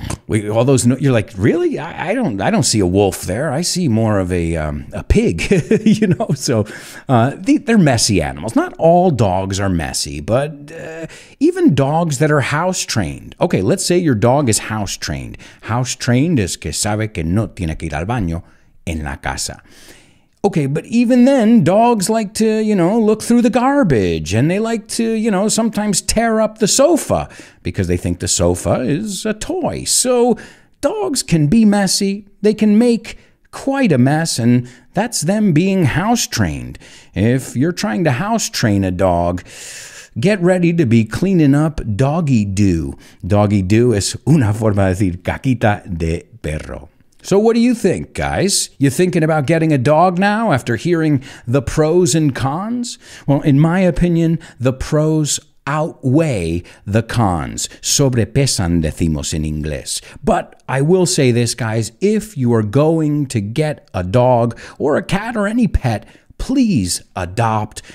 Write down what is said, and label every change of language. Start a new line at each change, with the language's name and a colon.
English: All those, you're like, really? I don't see a wolf there. I see more of a pig, you know? So they're messy animals. Not all dogs are messy, but even dogs that are house trained. Okay, let's say your dog is house trained. House trained is
Spanish: que sabe que no tiene que ir al baño en la casa.
English: Okay, but even then, dogs like to, you know, look through the garbage, and they like to, you know, sometimes tear up the sofa because they think the sofa is a toy. So dogs can be messy. They can make quite a mess, and that's them being house trained. If you're trying to house train a dog, get ready to be cleaning up doggy doo.
Spanish: Doggy doo es una forma de decir caquita de perro.
English: So what do you think, guys? You thinking about getting a dog now after hearing the pros and cons? Well, in my opinion, the pros outweigh the cons.
Spanish: Sobrepesan, decimos en inglés.
English: But I will say this, guys, if you are going to get a dog or a cat or any pet, please adopt.